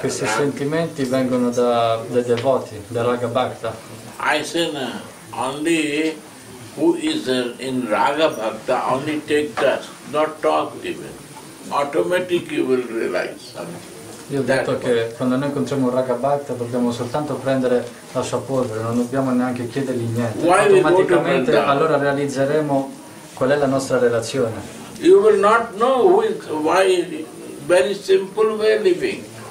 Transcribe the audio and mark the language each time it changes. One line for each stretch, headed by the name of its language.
Italian: Questi sentimenti vengono dai devoti, da Raga Bhakta.
English: I say, only who is in Raga Bhakta, only take that, not talk even. Automatically you will realize something.
Italian: Io ho detto che quando noi incontriamo Raga Bhakta dobbiamo soltanto prendere la sua polvere, non dobbiamo neanche chiedergli niente.
English: Why
Italian: automaticamente allora realizzeremo qual è la nostra relazione.
English: You will not know who is, why. Very simple way living.